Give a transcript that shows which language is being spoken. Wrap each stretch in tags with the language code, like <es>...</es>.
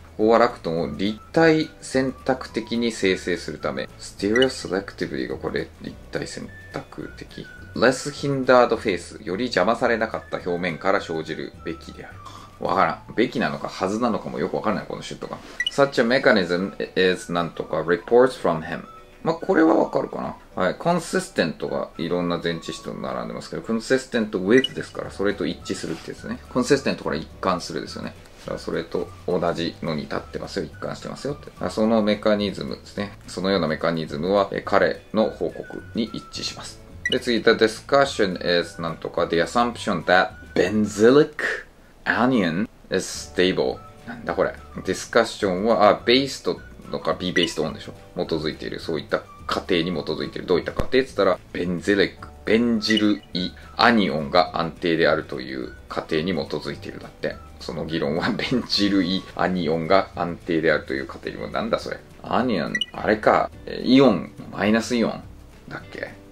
<ja>飽和ラクトンを立体選択的に生成するため、ステレオセレクティブリーがこれ、立体選択的。</ja> <en>less hindered face、</en> <ja>より邪魔されなかった表面から生じるべきである。わからん。べきなのか、はずなのかもよくわからない、このシュートが。</ja> <en>such a mechanism is なんとか reports from him。</en> <ja>まあ、これはわかるかな。はい。consistent がいろんな前置詞と並んでますけど、consistent with ですから、それと一致するってですね。 consistent から一貫するですよね。だからそれと同じのに立ってますよ、一貫してますよって。そのメカニズムですね。そのようなメカニズムは、彼の報告に一致します。</ja> <en>で、次、the discussion is なんとか the assumption that benzylic anion is stable。</en> <ja>なんだこれ。 discussion は、based のか be based on でしょ。基づいている。そういった過程に基づいている。どういった過程って言ったら、benzylic ベンジル・イ・アニオンが安定であるという仮定に基づいているだって。その議論はベンジル・イ・アニオンが安定であるという仮定にも、なんだそれ、アニオン、あれか、イオン、マイナスイオンだっけ、</ja>